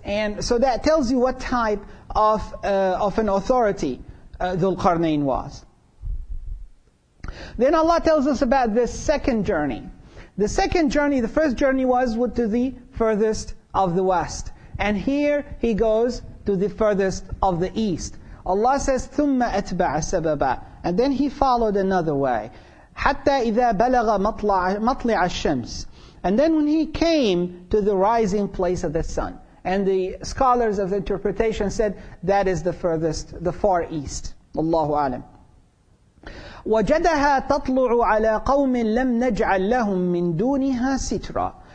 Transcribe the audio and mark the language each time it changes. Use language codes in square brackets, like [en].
[en] And so that tells you what type of an authority Dhul-Qarnayn was. Then Allah tells us about the second journey. The second journey, the first journey was to the furthest of the west. And here he goes to the furthest of the east. Allah says, [ar] ثُمَّ أَتْبَعَ سَبَبًا. [en] And then he followed another way. [ar] حَتَّى إِذَا بَلَغَ مَطْلِعَ الشَّمْسِ. [en] And then when he came to the rising place of the sun. And the scholars of the interpretation said, that is the furthest, the far east. [ar] Allahu alam. وَجَدَهَا تَطْلُعُ عَلَىٰ قَوْمٍ لَمْ نَجْعَلْ لَهُمْ مِنْ دُونِهَا سِتْرًا.